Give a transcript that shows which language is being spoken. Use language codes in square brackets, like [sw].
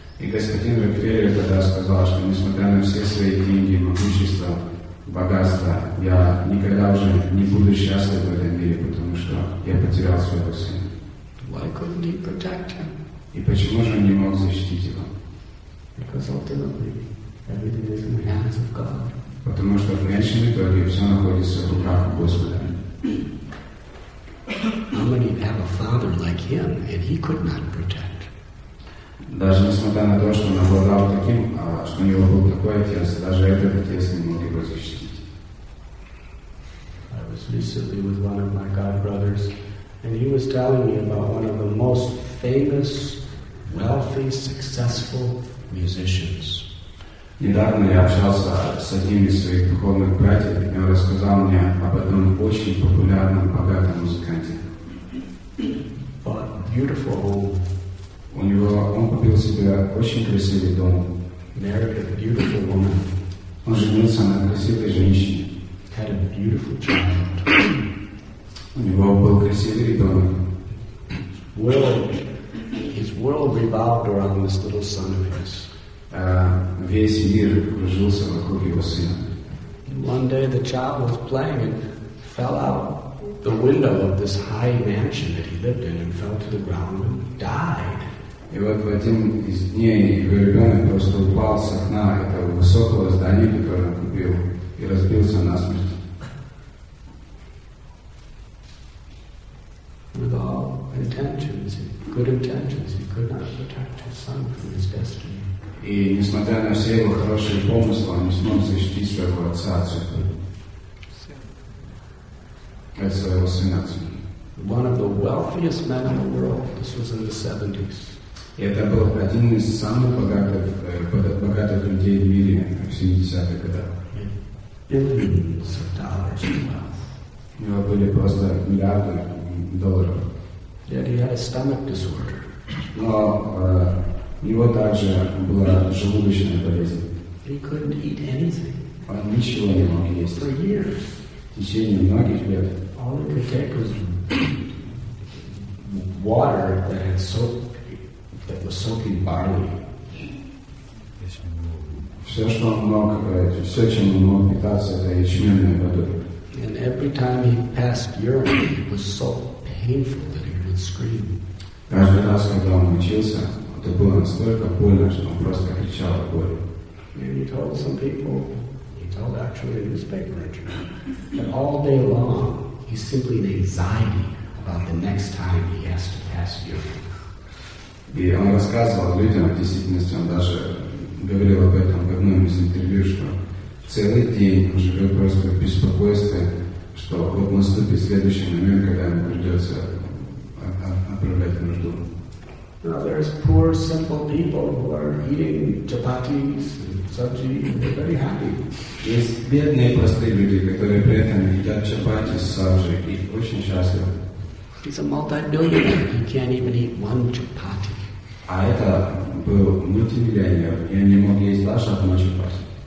[ru] И господин Рокфеллер тогда сказал, что несмотря на все свои деньги, могущество, богатство, я никогда уже не буду счастлив в этом мире, потому что я потерял своего сына. [en] Why couldn't he protect him? [ru] И почему же он не мог защитить его? [en] Because ultimately, everything is in the hands of God. [ru] Потому что в конечном итоге все находится в руках Господа. [en] Nobody would have a father like him, and he could not protect. [ru] Даже несмотря на то, что он обладал таким, что у него был такой отец, даже этот отец не мог его защитить. [en] I was recently with one of my God brothers, and he was telling me about one of the most famous, wealthy, successful musicians. [ru] Недавно я общался с одним из своих духовных братьев, и он рассказал мне об одном очень популярном, богатом музыканте. [en] But beautiful home. [ru] У него он купил себе очень красивый дом. [en] Married a beautiful woman. [ru] Он женился на красивой женщине. [en] Had a beautiful child. [ru] У него был красивый ребенок. [en] His world revolved around this little son of his. [ru] Весь мир кружился вокруг его сына. [en] One day the child was playing and fell out the window of this high mansion that he lived in and fell to the ground and died. [ru] И вот в один из дней его ребенок просто упал с окна этого высокого здания, которое он купил, и разбился насмерть. [en] With all intentions, good intentions, he could not protect his son from his destiny. [ru] И несмотря на все его хорошие помыслы, он не смог защитить своего отца от судьбы. От своего сына от судьбы. [en] One of the wealthiest men in the world. This was in the 70s. [ru] И это был один из самых богатых людей в мире в 70-х годах. [en] Billions of dollars in wealth. [ru] У него были просто миллиарды долларов. [en] Yet he had a stomach disorder. [ru] Но у него также была желудочная болезнь. [en] He couldn't eat anything. [ru] Он ничего не мог есть. [en] For years. [ru] В течение многих лет. [en] All he could take was water that had soaked, that was soaking barley. [ru] Все, что он мог, все, чем он мог питаться, это ячменной водой. [en] And every time he passed urine, it was so painful that he would scream. [ru] Каждый раз, когда он мучился, это было настолько больно, что он просто кричал от боли. [en] And he told some people, he told actually a newspaper interview, that all day long he's simply in anxiety about the next time he has to pass urine. [ru] И он рассказывал людям, в действительности он даже говорил об этом в одном из интервью, что целый день он живет просто в беспокойстве, что вот наступит следующий момент, когда ему придется отправлять нужду. [en] Now there's poor, simple people who are eating chapatis and sabji, and they're very happy. [ru] Есть бедные простые люди, которые при этом едят чапати с сабжи и очень счастливы. [en] He's a multi-billionaire. He can't even eat one chapati. [ru] А это был мультимиллионер, и он не мог есть даже одну чапати.